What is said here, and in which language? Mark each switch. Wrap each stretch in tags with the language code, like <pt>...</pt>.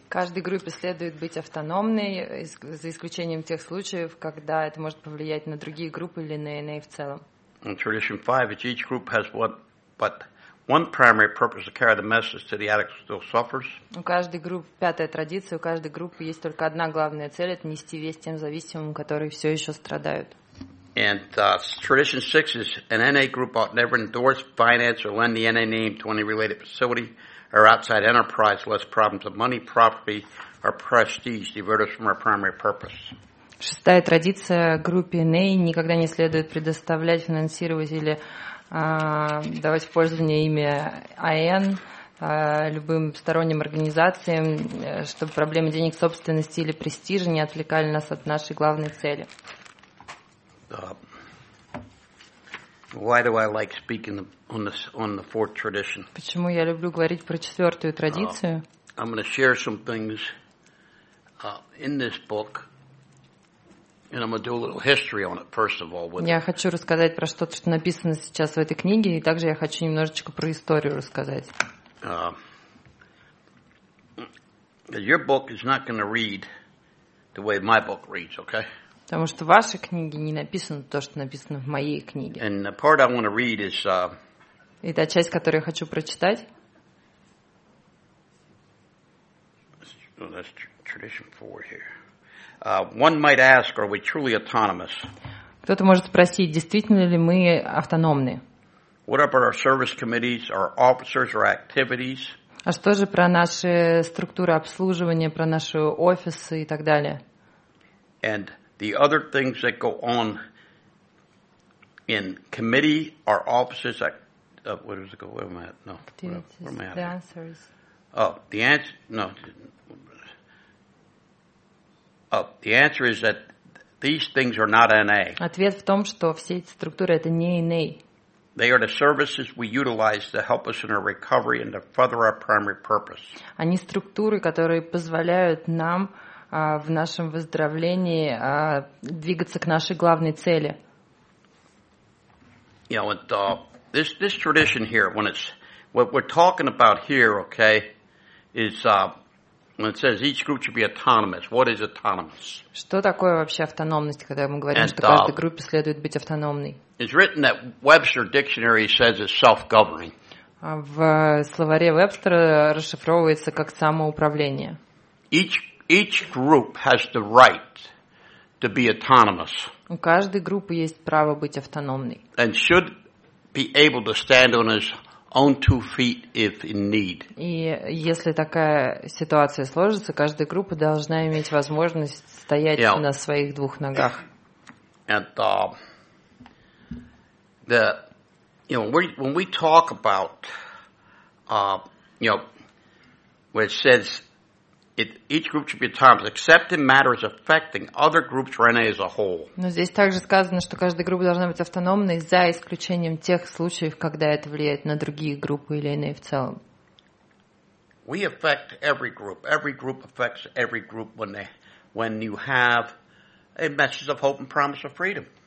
<ru>Каждой группе следует быть автономной, за исключением тех случаев, когда это может повлиять на другие группы или на NA в целом.</ru> <en>In tradition 5, each group has one primary purpose to carry the message to the addict who still suffers.</en> <ru>У каждой группы, пятая традиция, у каждой группы есть только одна главная цель – это нести весть тем зависимым, которые все еще страдают.</ru> <en>And tradition 6 is an NA group ought never endorse, finance, or lend the NA name to any related facility or outside enterprise unless problems of money, property, or prestige divert us from our primary purpose.</en> <ru>Шестая традиция группе NA никогда не следует предоставлять, финансировать или давать в пользование имя АН любым сторонним организациям, чтобы проблемы денег, собственности или престижа не отвлекали нас от нашей главной цели.</ru> <en>Why do I like speaking on the fourth tradition?</en> <ru>Почему я люблю говорить про четвертую традицию?</ru> <en>I'm going to share some things in this book, and I'm going to do a little history on it first of all.</en> <ru>Я хочу рассказать про что-то, что написано сейчас в этой книге, и также я хочу немножечко про историю рассказать.</ru> <en>Your book is not going to read the way my book reads, okay?</en> <ru>Потому что в вашей книге не написано то, что написано в моей книге.</ru> <en>And the part I want to read is,</en> <ru>и та часть, которую я хочу прочитать.</ru> <en>That's tradition four here. One might ask, are we truly autonomous?</en> <ru>Кто-то может спросить, действительно ли мы автономны?</ru> <en>What about our service committees, our officers, our activities?</en> <ru>А что же про наши структуры обслуживания, про наши офисы и так далее?</ru> <en>And the other things that go on in committee are offices. Where does it go? Where am I at? No. Where am I at? The answers. Oh, the answer. No. Oh, the answer is that these things are not NA.</en> <ru>Ответ в том, что все эти структуры это не NA.</ru> <en>They are the services we utilize to help us in our recovery and to further our primary purpose.</en> <ru>Они структуры, которые позволяют нам в нашем выздоровлении двигаться к нашей главной цели.</ru> <en>You know, and, this tradition here, when it's what we're talking about here, okay, is when it says each group should be autonomous. What is autonomous?</en> <ru>Что такое вообще автономность, когда мы говорим, что каждой группе следует быть автономной?</ru> <en>It's written that Webster Dictionary says it's self-governing.</en> <ru>В словаре Вебстера расшифровывается как самоуправление.</ru> <en>Each group has the right to be autonomous.</en> <ru>У каждой группы есть право быть автономной.</ru> <en>And should be able to stand on its own two feet if in need.</en> <ru>И если такая ситуация сложится, каждая группа должна иметь возможность стоять на своих двух ногах.</ru> <en>And the you know when we talk about you know where it says each group should be autonomous, except in matters affecting other groups or NA as a whole.</en> <ru>Но здесь также сказано, что каждая группа должна быть автономной за исключением тех случаев, когда это влияет на другие группы или NA в целом.</ru> <en>We affect every group. Every group affects every group when you have a message of hope and promise of freedom.</en>